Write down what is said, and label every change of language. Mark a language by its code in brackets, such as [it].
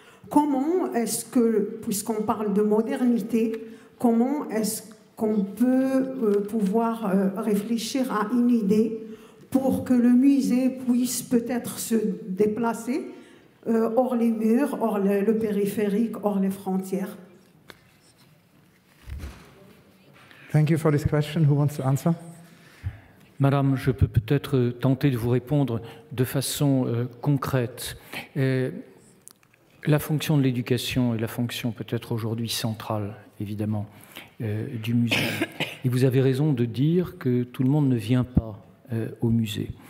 [fr] Comment est-ce que, puisqu'on parle de modernité, comment est-ce qu'on peut pouvoir réfléchir à une idée pour que le musée puisse peut-être se déplacer hors les murs, hors le périphérique, hors les frontières? [en] Thank you for this question. Who wants to answer? [fr] Madame, je peux peut-être tenter de vous répondre de façon concrète. La fonction de l'éducation est la fonction peut-être aujourd'hui centrale, évidemment, du musée. Et vous avez raison de dire que tout le monde ne vient pas au musée.